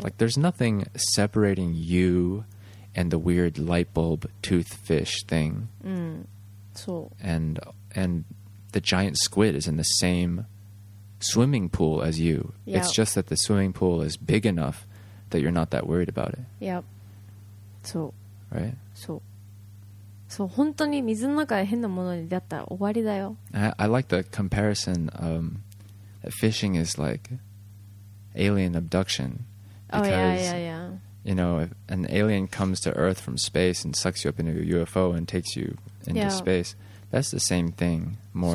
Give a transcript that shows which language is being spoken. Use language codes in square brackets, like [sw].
[en] Like there's nothing separating you and the weird light bulb tooth fish thing. [ja] そう。 [en] And the giant squid is in the same swimming pool as you. Yep. It's just that the swimming pool is big enough that you're not that worried about it. Yep. そう。 Right? [ja] そう。そう、本当に水の中で変なものに出会ったら終わりだよ。 [en] I like the comparison that fishing is likeAlien abduction. Because, oh, yeah, yeah, yeah. You know, if an alien comes to Earth from space and sucks you up into a UFO and takes you into yeah. space, that's the same thing, more